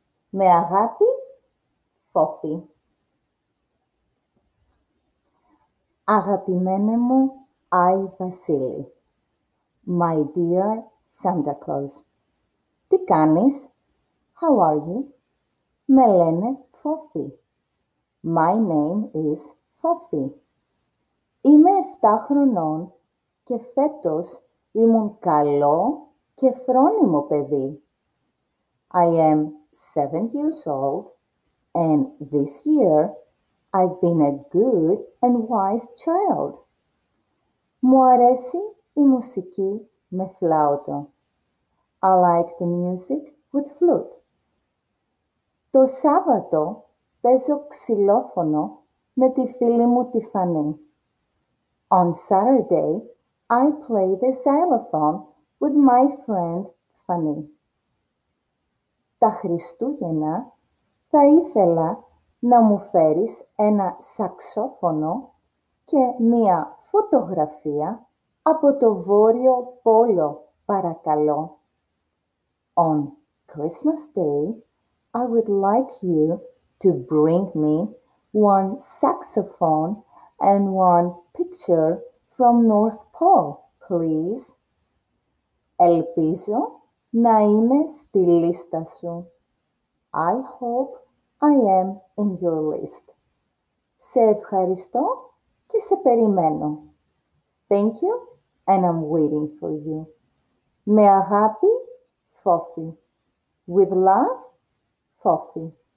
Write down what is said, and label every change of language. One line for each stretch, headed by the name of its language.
Greek: Με αγάπη, Φώφη. Αγαπημένε μου Άι Βασίλη,
English: my dear Santa Claus,
Greek: τι κάνεις?
English: How are you?
Greek: Με λένε Φώφη.
English: My name is Φώφη.
Greek: Είμαι 7 χρονών και φέτος ήμουν καλό και φρόνιμο παιδί.
English: I am 7 years old and this year I've been a good and wise child.
Greek: Μου αρέσει η μουσική με φλάουτο.
English: I like the music with flute.
Greek: Το Σάββατο παίζω ξυλόφωνο με τη φίλη μου τη Φανή.
English: On Saturday, I play the xylophone with my friend Φανή.
Greek: Τα Χριστούγεννα θα ήθελα να μου φέρεις ένα σαξόφωνο και μία φωτογραφία από το Βόρειο Πόλο, παρακαλώ.
English: On Christmas Day, I would like you to bring me one saxophone and one picture from North Pole, please.
Greek: Ελπίζω να είμαι στη λίστα σου.
English: I hope I am in your list.
Greek: Σε ευχαριστώ και σε περιμένω.
English: Thank you and I'm waiting for you.
Greek: Με αγάπη, Φώφη.
English: With love, Φώφη.